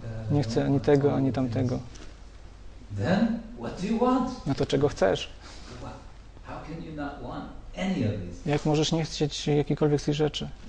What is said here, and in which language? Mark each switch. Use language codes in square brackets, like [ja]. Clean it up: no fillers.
[pl] Nie chcę ani tego, ani tamtego. [en] Then what do you want? [pl] No to czego chcesz? [en] How can you not want any of these? [pl] Jak możesz nie chcieć jakiejkolwiek z tych rzeczy?